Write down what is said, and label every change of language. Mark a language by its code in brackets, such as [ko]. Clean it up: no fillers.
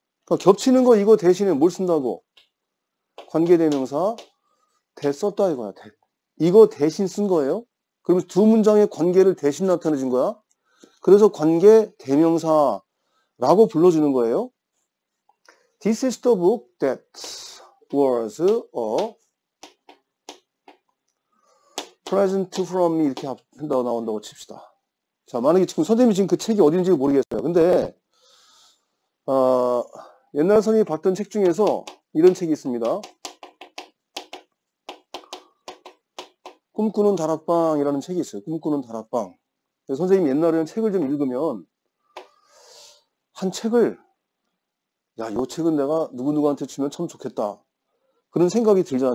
[ko] 그러니까 겹치는 거 이거 대신에 뭘 쓴다고? 관계대명사 대 썼다 이거야. 대. 이거 대신 쓴 거예요? 그러면 두 문장의 관계를 대신 나타내준 거야? 그래서 관계대명사라고 불러주는 거예요? [en] This is the book that was a present from me [ko] 이렇게 한다고 나온다고 칩시다. 자, 만약에 지금 선생님이 지금 그 책이 어딘지 모르겠어요. 근데 옛날 선생님이 봤던 책 중에서 이런 책이 있습니다. 꿈꾸는 다락방이라는 책이 있어요. 꿈꾸는 다락방. 선생님이 옛날에는 책을 좀 읽으면 한 책을 야, 요 책은 내가 누구누구한테 주면 참 좋겠다. 그런 생각이 들잖아.